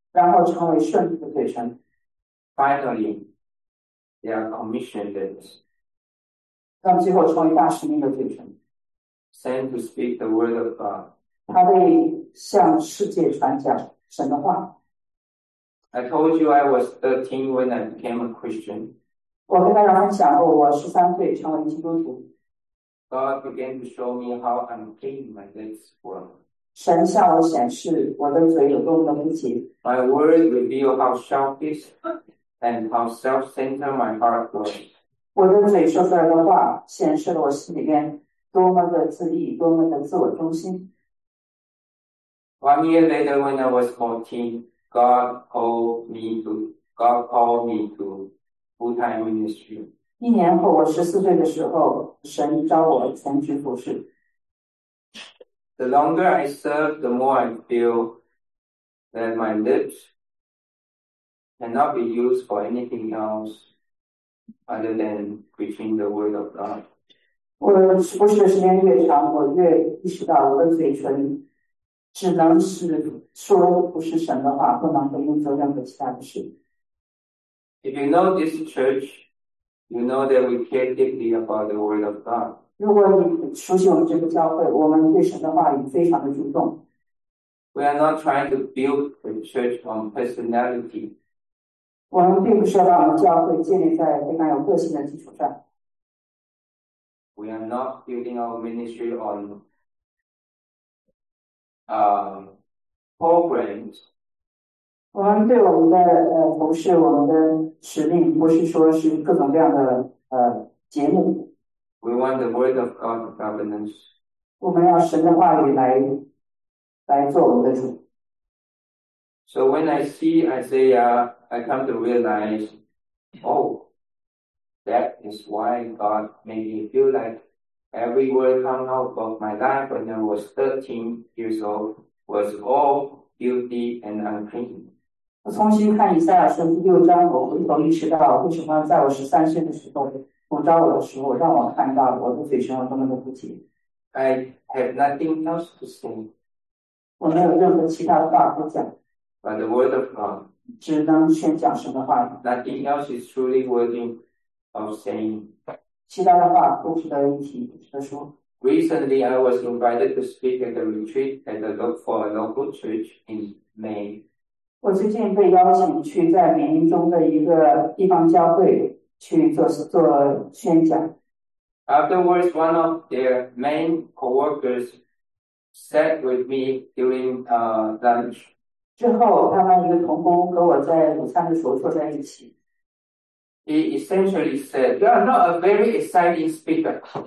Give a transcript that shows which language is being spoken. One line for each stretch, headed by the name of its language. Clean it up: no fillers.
Chinese: 然后成为顺服的嘴唇。
English: Finally, they are commissioned lips.
Chinese: 他们最后成为大使命的嘴唇。
English: Sent to speak the word of God.
Chinese: 他被向世界传讲神的话。
English: I told you I was 13 when I became a Christian.
Chinese: 我跟大家分享过，我13岁成为基督徒。
English: God began to show me how unclean my lips were.
Chinese: 神向我显示我的嘴有多么的不洁。
English: My words revealed how selfish and how self-centered my heart was.
Chinese: 我的嘴说出来的话显示了我心里面多么的自义，多么的自我中心。
English: One year later, when I was 14. God called me to God called me to full-time ministry.
Chinese: 一年后，我14岁的时候，神召我前去服侍。
English: The longer I serve, the more I feel that my lips cannot be used for anything else other than preaching the word of God.
Chinese: 我服侍的时间越长，我越意识到我的嘴唇只能是说不是神的话，不能够用作任何其他的事。
English: If you know this church, you know that we care deeply about the word of God.
Chinese: 如果你熟悉我们这个教会，我们对神的话语非常的注重。
English: We are not trying to build the church on personality.
Chinese: 我们并不是要把我们教会建立在非常有个性的基础上。
English: We are not building our ministry on programs.
Chinese: 我们对我们的服侍，我们的使命，不是说是各种各样的节目。
English: We want the word of God governance.
Chinese: 我们要神的话语来做我们的主。
English: So when I see Isaiah, I come to realize, oh, that is why God made me feel like every word come out of my life when I was 13 years old was all filthy and unclean.
Chinese: 我重新看以赛亚书6章，我回头意识到为什么在我13岁的时候，蒙召我的时候，让我看到我的嘴唇有多么的不洁。
English: I have nothing else to say
Chinese: 我没有任何其他的话可讲，
English: but the word of God.
Chinese: 只能宣讲神的话语。
English: Nothing else is truly worthy of saying.
Chinese: 其他的话都值得一提，值得说。
English: Recently, I was invited to speak at a retreat at a local for a local church in May.
Chinese: 我最近被邀请去在缅因中的一个地方教会去做宣讲。
English: Afterwards, one of their main coworkers sat with me during lunch.
Chinese: 之后，他们一个同工和我在午餐的时候坐在一起。
English: He essentially said, "You are not a very exciting speaker."